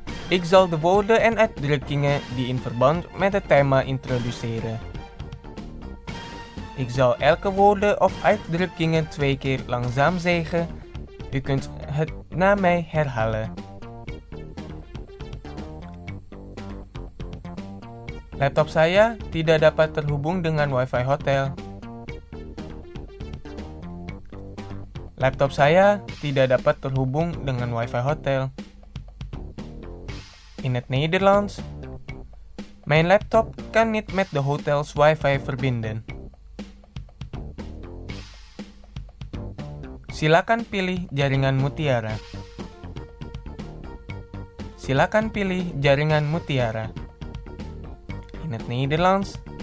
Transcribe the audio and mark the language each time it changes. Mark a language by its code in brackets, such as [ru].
[nl] Ik zal de woorden en uitdrukkingen die in verband met het thema introduceren. Ik zal elke woorden of uitdrukkingen twee keer langzaam zeggen. U kunt het na mij herhalen. [id] Laptop saya tidak dapat terhubung dengan wifi hotel. Laptop saya tidak dapat terhubung dengan wifi hotel. [nl] In het Nederlands. Mijn laptop kan niet met de hotels wifi verbinden. [id] Silakan pilih jaringan mutiara. Silakan pilih jaringan mutiara. [nl] In het Nederlands.